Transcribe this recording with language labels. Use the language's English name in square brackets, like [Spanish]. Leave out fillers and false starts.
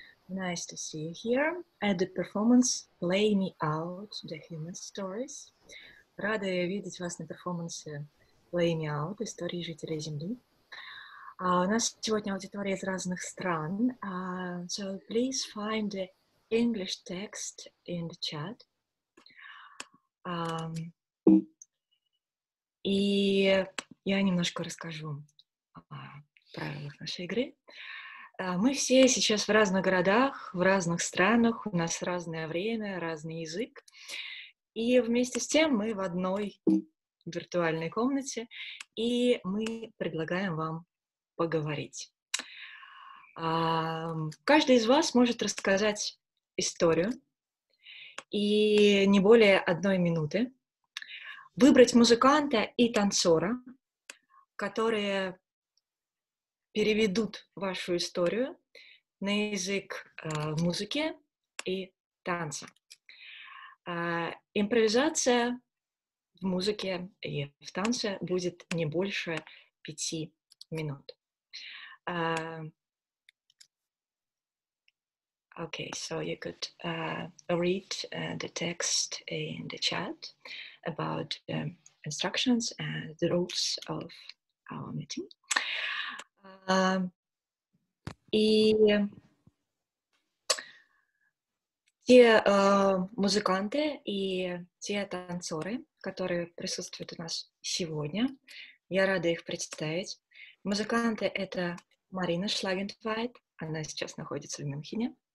[English] Nice to see you here at the performance PlayMeOut, The Human Stories. [Russian] Рада видеть вас на перформансе PlayMeOut, истории жителей Земли. У нас сегодня аудитория из разных стран. [English] So please find the English text in the chat. [Russian] И я немножко расскажу о правилах нашей игры. Мы все сейчас в разных городах, в разных странах, у нас разное время, разный язык. И вместе с тем мы в одной виртуальной комнате, и мы предлагаем вам поговорить. Каждый из вас может рассказать историю, и не более одной минуты. Выбрать музыканта и танцора, которые переведут вашу историю на язык музыки и танца. Импровизация в музыке и в танце будет не больше 5 минут. [English] Okay, so you could read the text in the chat about the instructions and the rules of our meeting. [Russian] И те музыканты и те танцоры, которые присутствуют у нас сегодня, я рада их представить. Музыканты — это Марина Шлагенфайт, она сейчас находится в Мюнхене.